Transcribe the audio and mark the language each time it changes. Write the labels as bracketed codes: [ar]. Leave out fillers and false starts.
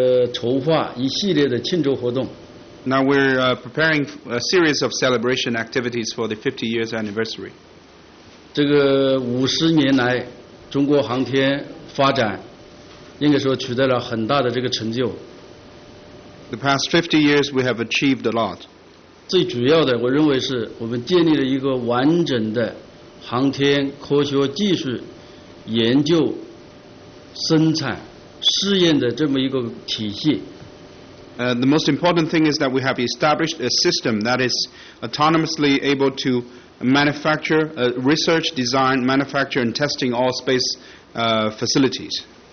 [zh] 现在我们正在国内这个筹划一系列的庆祝活动。 [en] Now we're preparing a series of celebration activities for the 50 years anniversary. [zh] 这个50年来中国航天发展应该说取得了很大的这个成就。 [en] The past 50 years we have achieved a lot. [zh] 最主要的我认为是我们建立了一个完整的航天科学技术研究生产试验的这么一个体系。 [en] The most important thing is that we have established a system that is autonomously able to manufacture, research, design, manufacture and testing all space facilities.